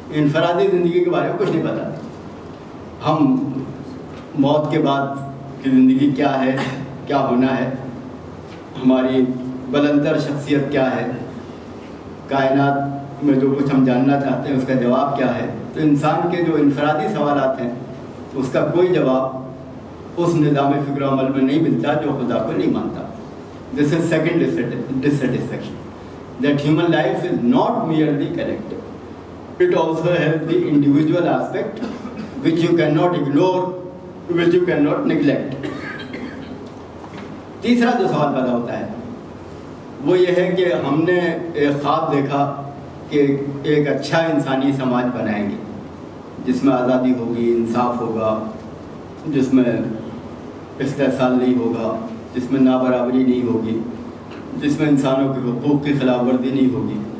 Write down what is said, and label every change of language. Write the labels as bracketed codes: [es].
[ur] انفرادی زندگی کے بارے میں کچھ نہیں پتا. ہم موت کے بعد کی زندگی کیا ہے, کیا ہونا ہے, ہماری بلندر شخصیت کیا ہے, کائنات میں جو کچھ ہم جاننا چاہتے ہیں اس کا جواب کیا ہے, تو انسان کے جو انفرادی سوالات ہیں اس کا کوئی جواب اس نظام فکر و عمل میں نہیں ملتا جو خدا کو نہیں مانتا. [en] This is second dissatisfaction that human life is not merely collective, it also has the individual aspect which you can not ignore, which you can not neglect. [ur] تیسرا جو سوال پیدا ہوتا ہے وہ یہ ہے کہ ہم نے ایک خواب دیکھا کہ ایک اچھا انسانی سماج بنائیں گے جس میں آزادی ہوگی, انصاف ہوگا, جس میں استحصال نہیں ہوگا, جس میں نابرابری نہیں ہوگی, جس میں انسانوں کے حقوق کی خلاف ورزی نہیں ہوگی.